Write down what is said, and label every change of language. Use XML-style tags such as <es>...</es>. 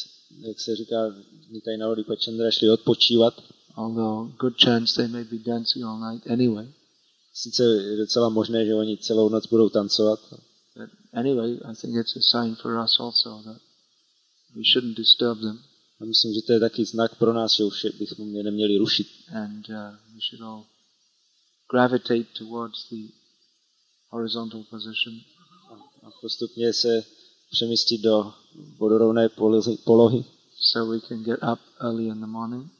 <cs>Jak se říká, Nitya Navadip Chandra šli odpočívat.</cs> <en>Although good chance they may be dancing all night anyway.</en> <cs>Sice je docela možné, že oni celou noc budou tancovat.</cs> <en>But anyway, I think it's a sign for us also that we shouldn't disturb them.</en> <cs>A myslím, že to je taky znak pro nás, že už bychom je neměli rušit.</cs> <en>And we should all gravitate towards the horizontal position.</en> <cs>A postupně se přemístit do vodorovné polohy.</cs> <en>So we can get up early in the morning.</en>